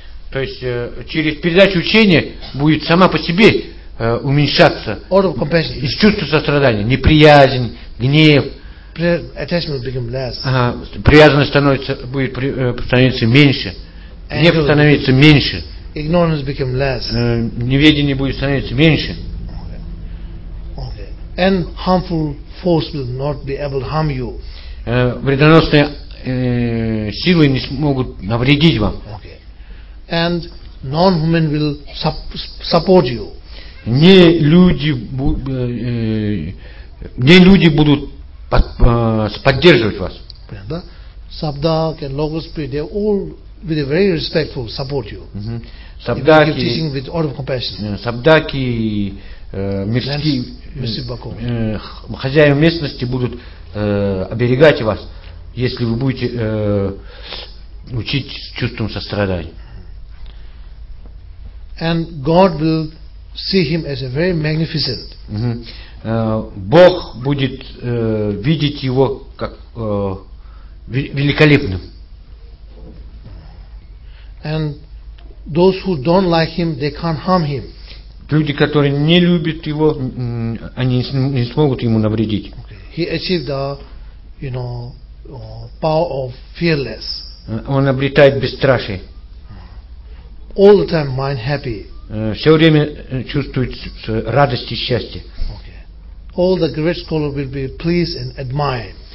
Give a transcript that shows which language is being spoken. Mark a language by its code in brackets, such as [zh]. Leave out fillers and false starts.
[ru] То есть через передачу учения будет сама по себе уменьшаться из чувства сострадания, неприязнь, гнев. [en] Attachment became less. [ru] Привязанность становится меньше. Гнев становится меньше. [en] Ignorance became less. [ru] Неведение будет становиться меньше. [en] Okay. And harmful force will not be able to harm you. [ru] Вредоносные силы не смогут навредить вам. [en] Okay. And non-human will support you. [ru] Не люди будут поддерживать вас. Понятно? [en] Сабдак and Логоспри, they all with a very respectful support you. [ru] Сабдаки, [en] if you teaching with all of compassion. [ru] Сабдаки, хозяева местности будут оберегать вас, если вы будете учить чувством сострадания. [en] and God will see him as a very magnificent. [ru] Бог будет видеть его как великолепным. [en] And those who don't like him, they can't harm him. [ru] Люди, которые не любят его, они не смогут ему навредить. [en] He achieved the, you know, power of fearless. [ru] Он обретает бесстрашие. [en] All the time mind happy. [ru] Все время чувствует радость и счастье. [en] All the great scholars will be pleased and admired.